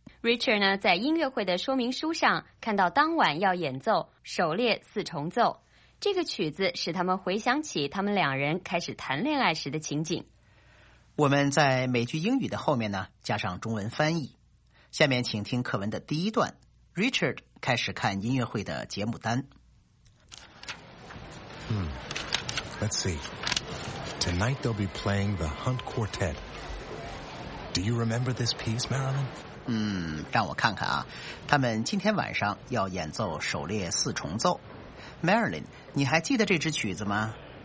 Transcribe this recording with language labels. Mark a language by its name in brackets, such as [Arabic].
[Chinese] Richard 呢，在音乐会的说明书上看到当晚要演奏狩猎四重奏，这个曲子使他们回想起他们两人开始谈恋爱时的情景。我们在每句英语的后面呢，加上中文翻译。下面请听课文的第一段。Richard 开始看音乐会的节目单。 [English] Let's see. Tonight they'll be playing the Hunt Quartet. Do you remember this piece, Marilyn? [Chinese] 让我看看啊，他们今天晚上要演奏狩猎四重奏。 Marilyn, 你还记得这支曲子吗？